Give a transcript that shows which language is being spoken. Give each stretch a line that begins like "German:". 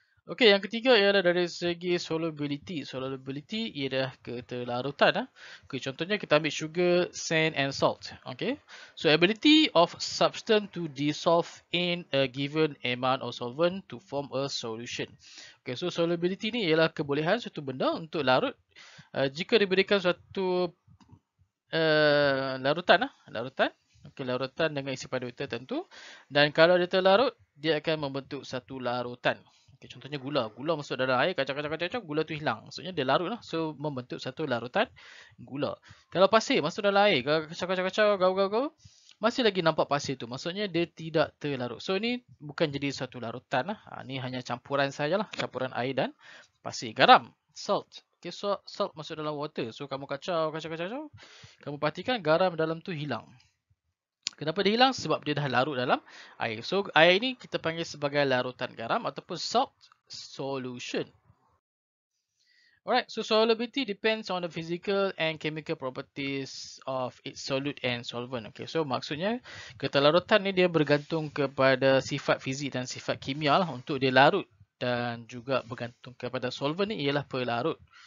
Malay: Okey, yang ketiga ialah dari segi solubility. Solubility ialah keterlarutan. Okay, contohnya kita ambil sugar, sand and salt. Okey.
English: So ability of substance to dissolve in a given amount of solvent to form a solution.
Malay: Okey, so solubility ni ialah kebolehan suatu benda untuk larut jika diberikan suatu larutan larutan. Okey, larutan dengan isi padu tertentu dan kalau dia terlarut, dia akan membentuk satu larutan. Okay, contohnya gula. Gula masuk dalam air, kacau, gula tu hilang. Maksudnya dia larut lah. So, membentuk satu larutan gula. Kalau pasir masuk dalam air, kacau, masih lagi nampak pasir tu. Maksudnya dia tidak terlarut. So, ni bukan jadi satu larutan lah. Ha, ni hanya campuran sajalah. Campuran air dan pasir. Garam. Salt. Okay, so, salt masuk dalam water. So, kamu kacau. Kamu perhatikan garam dalam tu hilang. Kenapa dia hilang? Sebab dia dah larut dalam air. So, air ini kita panggil sebagai larutan garam ataupun salt solution.
English: Alright, so solubility depends on the physical and chemical properties of its solute and solvent.
Malay: Okay, so maksudnya keterlarutan ni dia bergantung kepada sifat fizik dan sifat kimia lah untuk dia larut dan juga bergantung kepada solvent ni ialah pelarut.